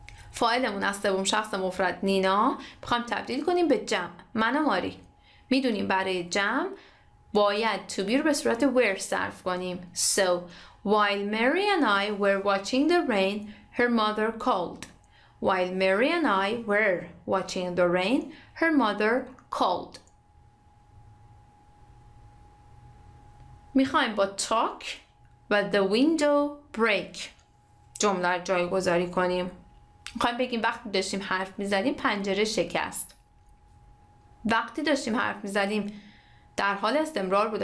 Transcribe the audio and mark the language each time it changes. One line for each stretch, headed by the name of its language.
Persian: فاعلمون از سوم شخص مفرد نینا بخوام تبدیل کنیم به جمع من و ماری. میدونیم برای جمع باید to be رو به صورت where صرف کنیم.
English: So while Mary and I were watching the rain, her mother called. While Mary and I were watching the rain, her mother called.
Persian: میخوایم با talk و
English: the window break
Persian: جمله رو جایگذاری کنیم. میخوایم بگیم وقتی داشتیم حرف میزدیم پنجره شکست. وقتی داشتیم حرف میزدیم در حال استمرار بوده.